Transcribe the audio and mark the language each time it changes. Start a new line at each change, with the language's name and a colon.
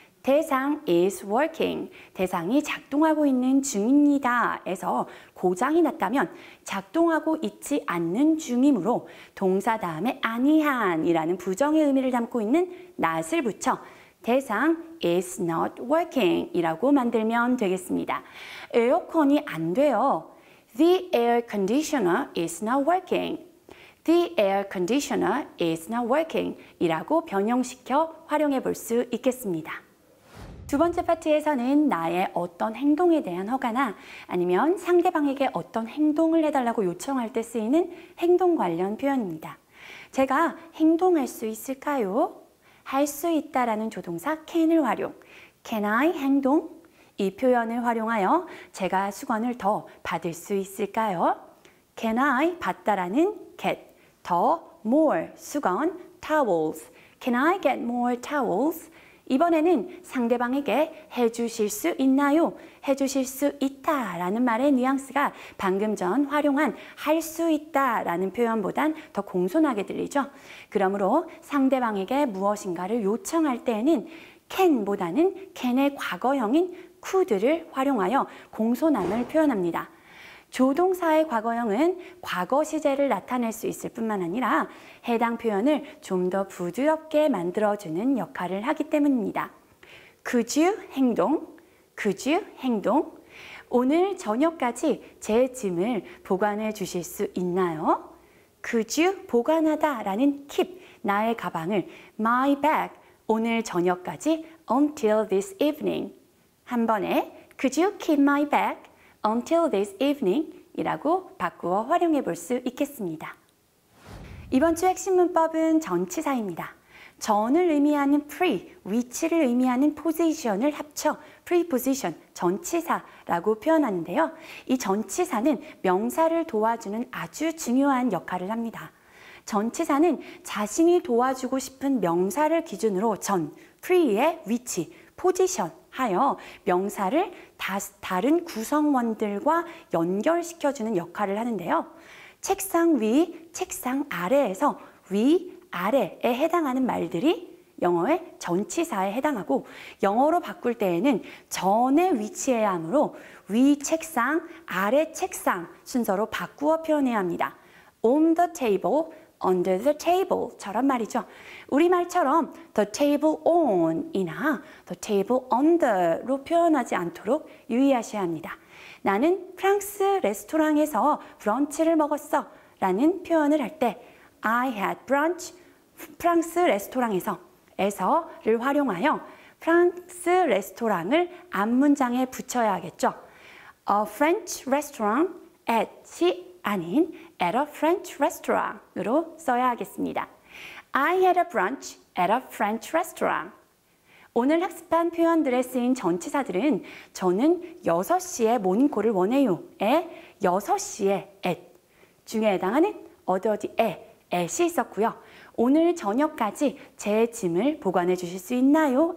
Korean: 대상
English: is working,
Korean: 대상이 작동하고 있는 중입니다. 에서 고장이 났다면 작동하고 있지 않는 중이므로 동사 다음에 아니한이라는 부정의 의미를 담고 있는 not을 붙여 대상
English: is not working
Korean: 이라고 만들면 되겠습니다. 에어컨이 안 돼요.
English: The air conditioner is not working. The air conditioner is not working
Korean: 이라고 변형시켜 활용해 볼 수 있겠습니다. 두 번째 파트에서는 나의 어떤 행동에 대한 허가나 아니면 상대방에게 어떤 행동을 해달라고 요청할 때 쓰이는 행동 관련 표현입니다. 제가 행동할 수 있을까요? 할 수 있다라는 조동사 can을 활용.
English: Can I 행동?
Korean: 이 표현을 활용하여 제가 수건을 더 받을 수 있을까요?
English: Can I
Korean: 받다라는
English: get,
Korean: 더,
English: more,
Korean: 수건,
English: towels. Can I get more towels?
Korean: 이번에는 상대방에게 해주실 수 있나요? 해주실 수 있다 라는 말의 뉘앙스가 방금 전 활용한 할 수 있다 라는 표현보단 더 공손하게 들리죠. 그러므로 상대방에게 무엇인가를 요청할 때에는 can보다는 can의 과거형인 could를 활용하여 공손함을 표현합니다. 조동사의 과거형은 과거 시제를 나타낼 수 있을 뿐만 아니라 해당 표현을 좀 더 부드럽게 만들어주는 역할을 하기 때문입니다.
English: Could you 행동? Could you 행동?
Korean: 오늘 저녁까지 제 짐을 보관해 주실 수 있나요?
English: Could you
Korean: 보관하다 라는
English: keep,
Korean: 나의 가방을
English: my bag,
Korean: 오늘 저녁까지
English: until this evening.
Korean: 한 번에
English: Could you keep my bag? Until this evening
Korean: 이라고 바꾸어 활용해 볼 수 있겠습니다. 이번 주 핵심 문법은 전치사입니다. 전을 의미하는 pre, 위치를 의미하는 position을 합쳐 preposition, 전치사라고 표현하는데요. 이 전치사는 명사를 도와주는 아주 중요한 역할을 합니다. 전치사는 자신이 도와주고 싶은 명사를 기준으로 전, pre의 위치, position 하여 명사를 다른 구성원들과 연결시켜주는 역할을 하는데요. 책상 위, 책상 아래에서 위, 아래에 해당하는 말들이 영어의 전치사에 해당하고 영어로 바꿀 때에는 전에 위치해야 하므로 위 책상, 아래 책상 순서로 바꾸어 표현해야 합니다. On the table, under the table처럼 말이죠. 우리말처럼
English: the table on
Korean: 이나
English: the table under
Korean: 로 표현하지 않도록 유의하셔야 합니다. 나는 프랑스 레스토랑에서 브런치를 먹었어 라는 표현을 할 때
English: I had brunch
Korean: 프랑스 레스토랑에서 에서를 활용하여 프랑스 레스토랑을 앞 문장에 붙여야 하겠죠.
English: A French restaurant at이
Korean: 아닌
English: at a French restaurant으로
Korean: 써야 하겠습니다.
English: I had a brunch at a French restaurant.
Korean: 오늘 학습한 표현들에 쓰인 전치사들은 저는 6시에 모닝콜을 원해요. 에 6시에 at 중에 해당하는 어디 어디 at이 있었고요. 오늘 저녁까지 제 짐을 보관해 주실 수 있나요?